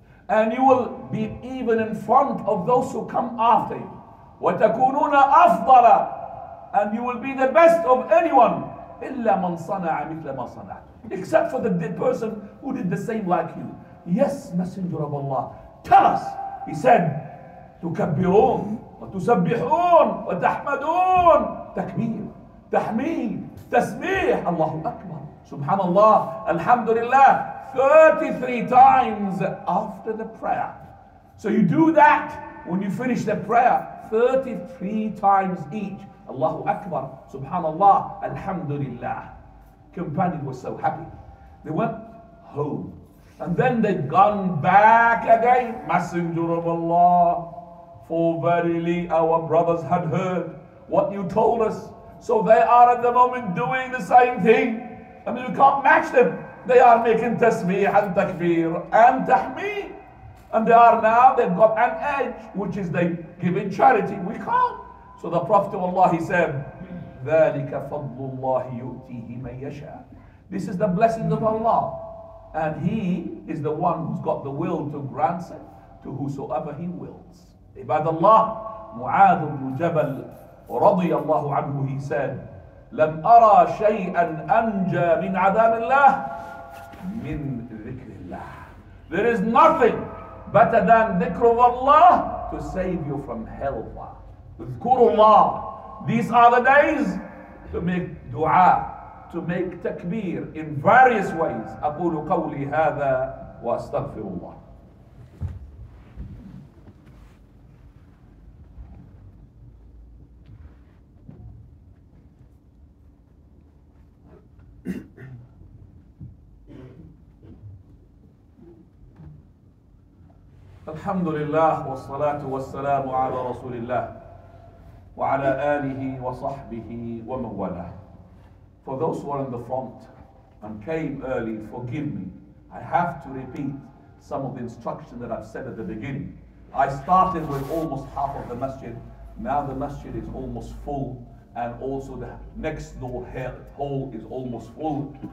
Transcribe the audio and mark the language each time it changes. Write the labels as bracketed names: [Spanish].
[English] And you will be even in front of those who come after you. [Arabic] وَتَكُونُونَ أَفْضَلَ. [English] And you will be the best of anyone. [Arabic] إِلَّا مَنْ صَنَعَ مِثْلَ مَا صَنَعَ. [English] Except for the person who did the same like you. Yes, Messenger of Allah, tell us. He said, [Arabic] تكبرون وتسبحون وتحمدون. تكبير تحميد تسبيح. الله أكبر سبحان الله الحمد لله. [English] 33 times after the prayer. So you do that when you finish the prayer. 33 times each. Allahu Akbar, Subhanallah, Alhamdulillah. Companion was so happy. They went home. And then they'd gone back again. Messenger of Allah, for verily our brothers had heard what you told us. So they are at the moment doing the same thing. I mean, you can't match them. They are making tasmih and takfir and tahmeed. And they are now, they've got an edge, which is they give in charity. We can't. So the Prophet of Allah, he said, [Arabic] ذَلِكَ فَضْلُ اللَّهِ يُؤْتِيهِ مَنْ يَشَاءُ. [English] This is the blessing of Allah. And he is the one who's got the will to grant it to whosoever he wills. [Arabic] Ibadallah, Mu'adh ibn Jabal, رَضِيَ اللَّهُ عَنْهُ, [English] he said, [Arabic] لَمْ أَرَى شَيْئًا أَنْجَى مِنْ عَذَابِ اللَّهِ مِنْ ذِكْرِ اللَّهِ. [English] There is nothing better than dhikr of Allah to save you from hellfire. Dhikrullah. These are the days to make dua, to make takbir in various ways. [Arabic] Aqulu qawli hadha wa astaghfirullah. الحمد لله والصلاة والسلام على رسول الله وعلى آله وصحبه ومن والاه. [English] For those who are in the front and came early, forgive me. I have to repeat some of the instruction that I've said at the beginning. I started with almost half of the masjid. Now the masjid is almost full, and also the next door hall is almost full.